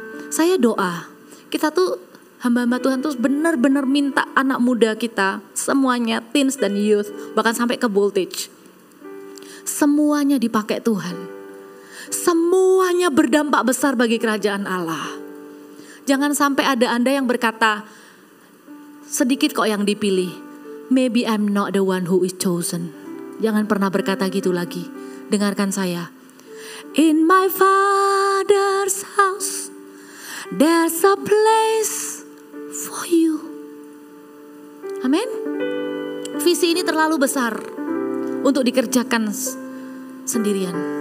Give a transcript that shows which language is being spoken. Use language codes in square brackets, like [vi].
[id] Saya doa, kita tuh hamba-hamba Tuhan tuh benar-benar minta anak muda kita, semuanya, teens dan youth, bahkan sampai ke voltage, semuanya dipakai Tuhan. Semuanya berdampak besar bagi kerajaan Allah. Jangan sampai ada anda yang berkata, sedikit kok yang dipilih. [en] Maybe I'm not the one who is chosen. [id] Jangan pernah berkata gitu lagi. Dengarkan saya. [en] In my father's house, there's a place for you. [id] Amin. Visi ini terlalu besar untuk dikerjakan sendirian.